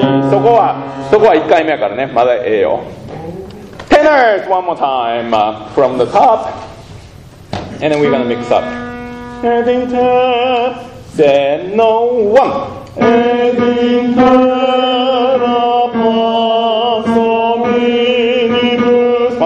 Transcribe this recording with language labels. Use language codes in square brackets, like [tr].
[ja] そこは1回目やからね、まだええよ。 [en] Tenors, one more time from the top. And then we're gonna mix up. [la] エディンテー、 [ja] せの、ワン。 [la] エディンテーラパソミニブス。